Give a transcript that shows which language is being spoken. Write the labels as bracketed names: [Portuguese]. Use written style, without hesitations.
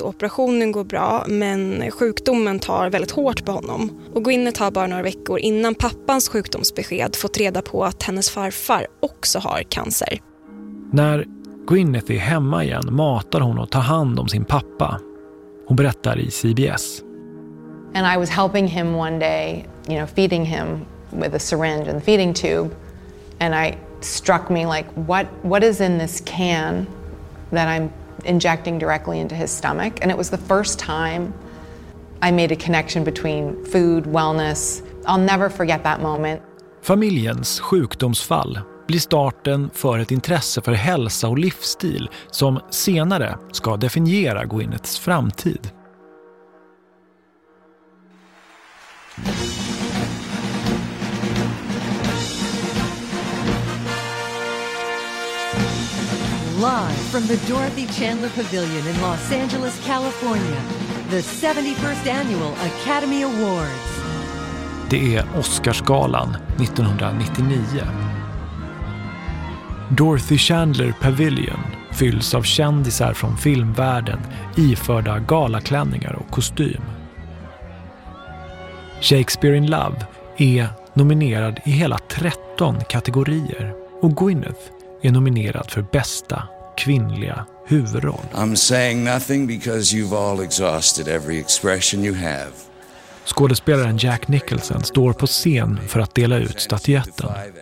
[Swedish] Operationen går bra, men sjukdomen tar väldigt hårt på honom. Och Gwyneth har bara några veckor innan pappans sjukdomsbesked fått reda på att hennes farfar också har cancer. När Gwyneth är hemma igen matar hon och tar hand om sin pappa. Hon berättar i CBS. [English] And I was helping him one day, you know, feeding him with a syringe and feeding tube, and I struck me like what is in this can that I'm injecting directly into his stomach, and it was the first time I made a connection between food, wellness. I'll never forget that moment. [Swedish] Familjens sjukdomsfall blir starten för ett intresse för hälsa och livsstil som senare ska definiera Gwyneths framtid. [English] Live from the Dorothy Chandler Pavilion in Los Angeles, California, the 71st annual Academy Awards. [Swedish] Det är Oscarsgalan 1999. Dorothy Chandler Pavilion fylls av kändisar från filmvärlden iförda galaklänningar och kostym. Shakespeare in Love är nominerad i hela 13 kategorier och Gwyneth är nominerad för bästa kvinnliga huvudroll. [English] I'm saying nothing because you've all exhausted every expression you have. [Swedish] Skådespelaren Jack Nicholson står på scen för att dela ut statyetten.